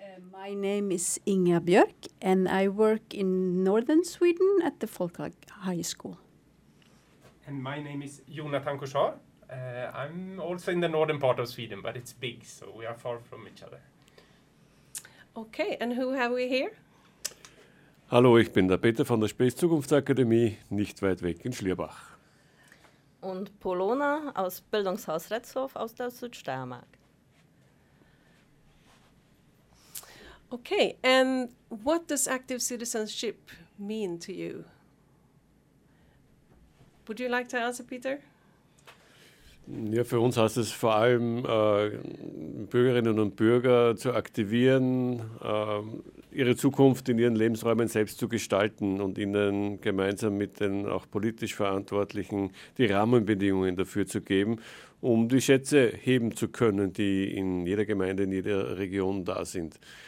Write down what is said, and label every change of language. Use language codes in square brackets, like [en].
[en] My name is Inga Björk, and I work in northern Sweden at the Folk High School. And my name is Jonathan Korsar. I'm also in the northern part of Sweden, but it's big, so we are far from each other. Okay, and who have we here? [de] Hallo, ich bin der Peter von der Spätzukunftsakademie, nicht weit weg in Schlierbach. Und Polona aus Bildungshaus Retzhof aus der Südsteiermark. [en] Okay, and what does active citizenship mean to you? Would you like to answer, Peter? [de] Ja, für uns heißt es vor allem, Bürgerinnen und Bürger zu aktivieren, ihre Zukunft in ihren Lebensräumen selbst zu gestalten und ihnen gemeinsam mit den auch politisch Verantwortlichen die Rahmenbedingungen dafür zu geben, um die Schätze heben zu können, die in jeder Gemeinde, in jeder Region da sind.